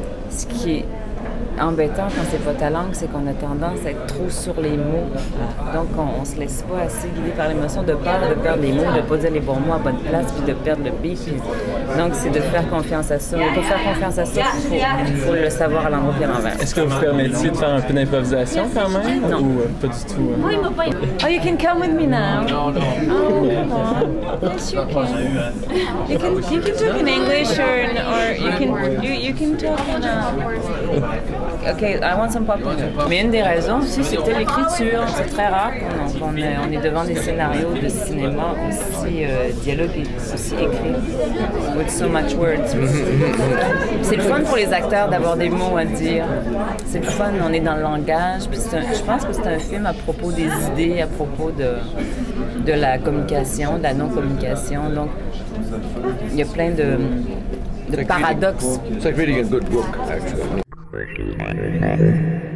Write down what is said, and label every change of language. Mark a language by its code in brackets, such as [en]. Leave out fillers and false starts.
[fr] Ce qui est embêtant quand c'est pas ta langue, c'est qu'on a tendance à être trop sur les mots. Donc, on se laisse pas assez guider par l'émotion, de peur de perdre les mots, de pas dire les bons mots à bonne place, puis de perdre le beat. Donc, c'est de faire confiance à ça. Mais pour faire confiance à ça, il faut le savoir à l'endroit et à l'envers. Est-ce que vous permettiez de faire un peu d'improvisation quand même? Non. Ou pas du tout? [en] Oh, you can come with me now. [fr] Non. [en] Oh, come on. Yes, you can talk in English or you can talk in OK, I want some popcorn. [fr] Mais une des raisons aussi, c'était l'écriture. C'est très rare qu'on est devant des scénarios de cinéma aussi dialogués, aussi écrits. [en] With so much words. [fr] C'est le fun pour les acteurs d'avoir des mots à dire. C'est le fun, on est dans le langage. Puis je pense que c'est un film à propos des idées, à propos de la communication, de la non-communication. Donc, il y a plein de paradoxes. [en] It's like reading a good book, actually. Thank you.